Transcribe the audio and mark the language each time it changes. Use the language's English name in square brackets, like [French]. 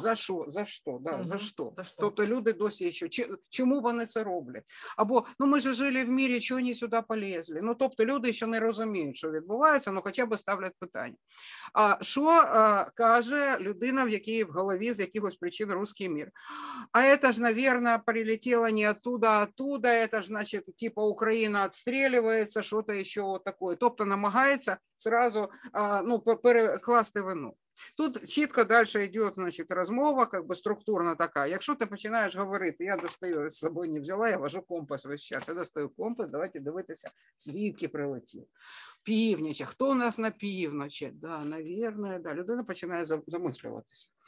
[Ukrainian] За що? За що? Да, угу. За що? За що? Тобто люди досі ще. Чому вони це роблять? Або, ми ж жили в мірі, чого вони сюди полізли? Тобто люди ще не розуміють, що відбувається, хоча б ставлять питання. А що каже людина, в якій в голові з якихось причин русский мир. [Russian] А это ж, наверное, прилетело не оттуда, а оттуда. Это ж, значит, типа Украина отстреливается, что-то еще вот такое. [Ukrainian] Тобто намагается сразу перекласти вину. Тут чітко далі йде, розмова, структурна така. Якщо ти починаєш говорити, я достаю, з собою не взяла, я вожу компас весь час, я достаю компас, давайте дивитися, звідки прилетів. Північ, хто у нас на півночі? [Russian] Да, наверное, да. [Ukrainian] Людина починає замислюватися.